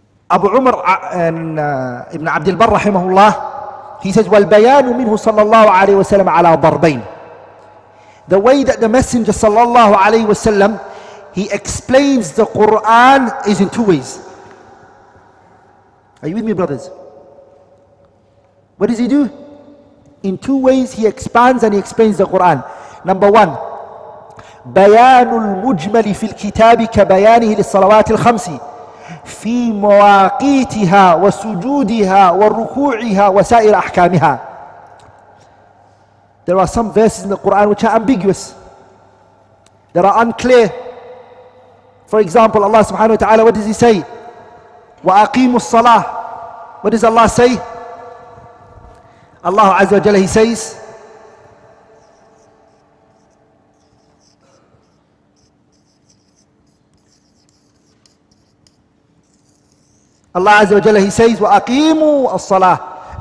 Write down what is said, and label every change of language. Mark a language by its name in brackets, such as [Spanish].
[Arabic] Abu Umar Ibn Abdul Barr rahimahullah, he says, وَالْبَيَانُ مِنْهُ صَلَّى اللَّهُ عَلَيْهِ وَسَلَّمَ عَلَىٰ ضَرْبَيْنِ. [English] The way that the Messenger صلى الله عليه وسلم, he explains the Quran is in two ways. Are you with me, brothers? What does he do? In two ways he expands and he explains the Quran. [Arabic] Number one, بيان المجمل في الكتاب كبيانه للصلوات الخمس في مواقيتها وسجودها وركوعها وسائر أحكامها. [English] There are some verses in the Quran which are ambiguous, that are unclear. For example, Allah subhanahu wa ta'ala, what does he say? وأقيم الصلاة. What does Allah say? Allah Azza wa Jalla, he says, Allah Azza wa Jalla, he says, wa aqimu as-salah.